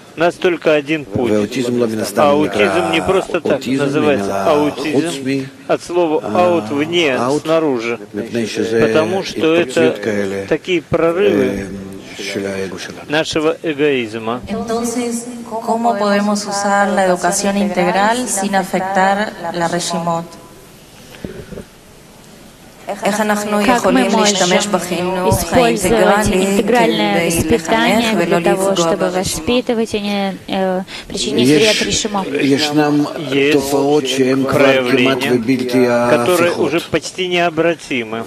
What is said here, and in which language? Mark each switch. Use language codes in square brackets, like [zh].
[ru] У нас только один путь. Аутизм не просто так называется. Аутизм от слова «аут» – вне, снаружи. Потому что это такие прорывы нашего эгоизма. [es] ¿Cómo podemos usar la educación integral sin afectar la Reshimot? [ru] Как мы можем использовать интегральное воспитание для того, чтобы воспитывать и не причинить вред Решимо? Есть проявления, которые уже почти необратимы.